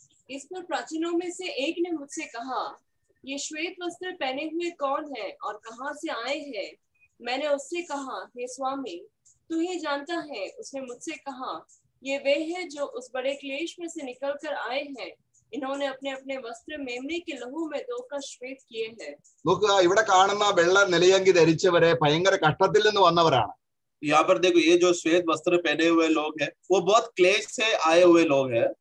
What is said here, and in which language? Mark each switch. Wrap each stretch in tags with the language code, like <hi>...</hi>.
<hi>इस पर प्राचीनों में से एक ने मुझसे कहा, ये श्वेत वस्त्र पहने हुए कौन है और कहां से आए हैं? मैंने उससे कहा, हे स्वामी तू ही जानता है। उसने मुझसे कहा, ये वे हैं जो उस बड़े क्लेश में से निकल कर आए हैं, इन्होंने अपने अपने वस्त्र मेमने के लहू में धोकर श्वेत किए हैं।</hi> <ml>നോക്കുക, ഇവിടെ കാണുന്ന വെള്ള നിലയങ്കി ധരിച്ചവരെ ഭയങ്കര കഷ്ടത്തിൽ നിന്ന് വന്നവരാണ്।</ml> <hi>यहाँ पर देखो ये जो श्वेत वस्त्र पहने हुए लोग हैं वो बहुत क्लेश से आए हुए लोग हैं</hi>